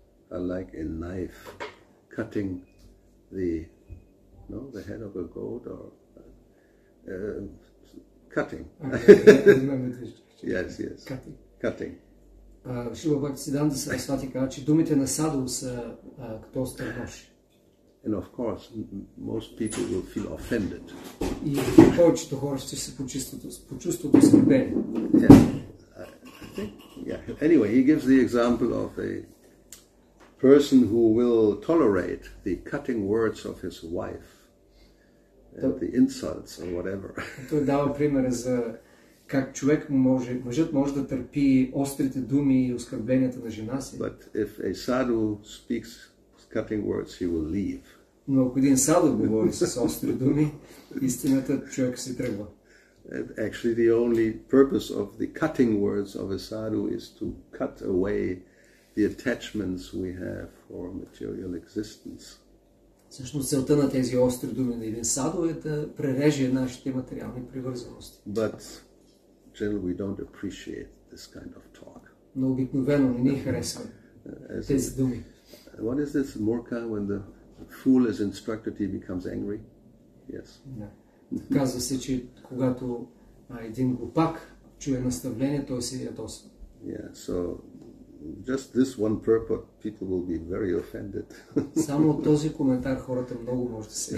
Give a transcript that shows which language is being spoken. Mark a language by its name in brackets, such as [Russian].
[English] are like a knife cutting the, no, the head of a goat or cutting. Okay. Yes, yes. Cutting. Cutting. [Bulgarian] Шива Бхактисиддханта Сарасвати казва, че думите на Садху са като остър нож. [English] And of course, most people will feel offended. [Bulgarian] И повечето хора ще се почувстват оскърбени. [English] Yeah. Anyway, he gives the example of a person who will tolerate the cutting words of his wife, the insults or whatever. [Bulgarian] Той дава пример за как човек може, мъжът може да търпи острите думи и оскърбенията на жена си. [English] But if a sadhu speaks cutting words, he will leave. [Bulgarian] Но ако един садху говори с остри думи, истината човек си тръгва. [English] Actually, the only purpose of the cutting words of a sadhu is to cut away the attachments we have for material existence. [Bulgarian] Всъщност целта на тези остри думи на един садху е да пререже нашите материални привързаности. [English] But generally, we don't appreciate this kind of talk. [Bulgarian] Но обикновено не ни харесва тези думи. [English] What is this murkha when the fool is instructed, he becomes angry? Yes. [Bulgarian] Казва се, че когато един глупак чуе наставление, той се ядосва. [English] Yeah, so just this one purport, people will be very offended. [Bulgarian] Само от този коментар хората много може да се